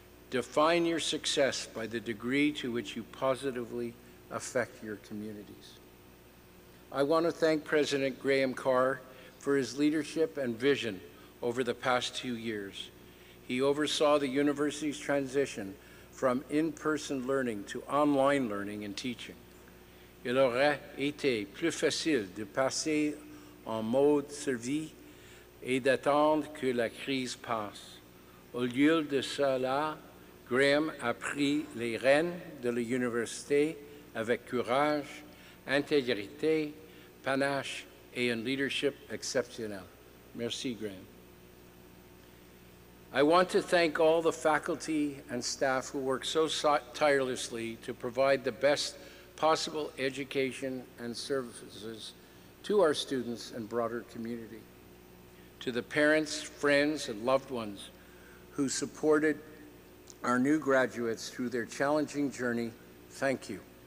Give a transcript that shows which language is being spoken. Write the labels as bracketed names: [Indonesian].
[English] Define your success by the degree to which you positively affect your communities. I want to thank President Graham Carr for his leadership and vision over the past 2 years. He oversaw the university's transition from in-person learning to online learning and teaching. [French] Il aurait été plus facile de passer en mode survie et d'attendre que la crise passe. Au lieu de cela, Graham a pris les rênes de l'université avec courage, intégrité, panache et un leadership exceptionnel. Merci, Graham. [English] I want to thank all the faculty and staff who work so tirelessly to provide the best possible education and services to our students and broader community. To the parents, friends, and loved ones who supported our new graduates through their challenging journey, thank you.